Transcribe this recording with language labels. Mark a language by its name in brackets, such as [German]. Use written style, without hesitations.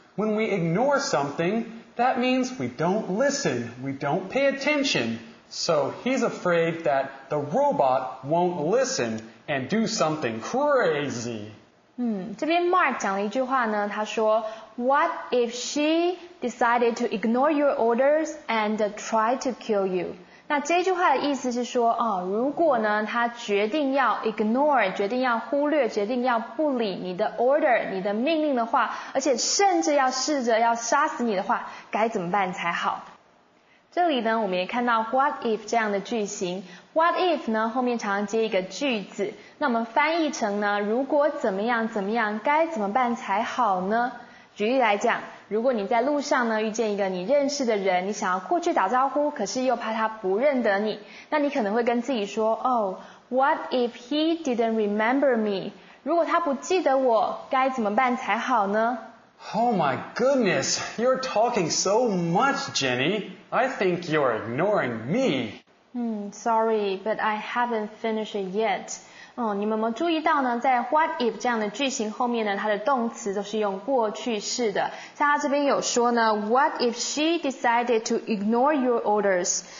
[English] When we ignore something, that means we don't listen, we don't pay attention. So he's afraid that the robot won't listen and do something crazy. [Chinese] 这边 Mark 讲了一句话呢，他说 [English] What if she decided to ignore your orders and try to kill you? [Chinese] 那这句话的意思是说，哦，如果呢，他决定要 ignore， 决定要忽略，决定要不理你的 order， 你的命令的话，而且甚至要试着要杀死你的话，该怎么办才好？这里呢，我们也看到 what if 这样的句型。What if 呢，后面常常接一个句子，那我们翻译成呢，如果怎么样怎么样，该怎么办才好呢？举例来讲，如果你在路上呢遇见一个你认识的人，你想要过去打招呼，可是又怕他不认得你，那你可能会跟自己说，哦 ， [English] What if he didn't remember me？ [Chinese] 如果他不记得我，该怎么办才好呢？ [English] Oh my goodness, you're talking so much, Jenny. I think you're ignoring me. Sorry, but I haven't finished it yet. [Chinese] 你们有没有注意到呢，在 what if 这样的句型后面呢，它的动词都是用过去式的。像它这边有说呢， [English] what if she decided to ignore your orders?